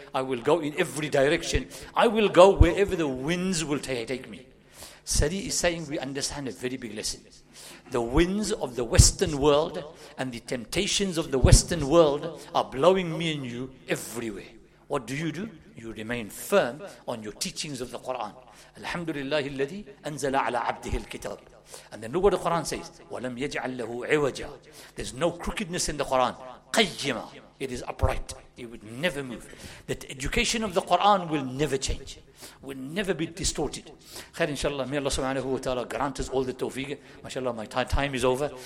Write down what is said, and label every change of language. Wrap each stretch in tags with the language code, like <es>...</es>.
<en>I will go in every direction. I will go wherever the winds will take me. Sari is saying, we understand a very big lesson. The winds of the Western world and the temptations of the Western world are blowing me and you everywhere. What do you do? You remain firm on your teachings of the Quran.</en> <ar>Alhamdulillah, الذي أنزل على عبده الكتاب.</ar> <en>And then look what the Quran says.</en> <ar>وَلَمْ يَجْعَلْ لَهُ عِوَجًا.</ar> <en>There's no crookedness in the Quran. قَيِّمًا. It is upright. It would never move. That education of the Quran will never change. Will never be distorted. Khair inshallah. May Allah subhanahu wa ta'ala grant us all the tawfiq. MashaAllah, my time is over.</en>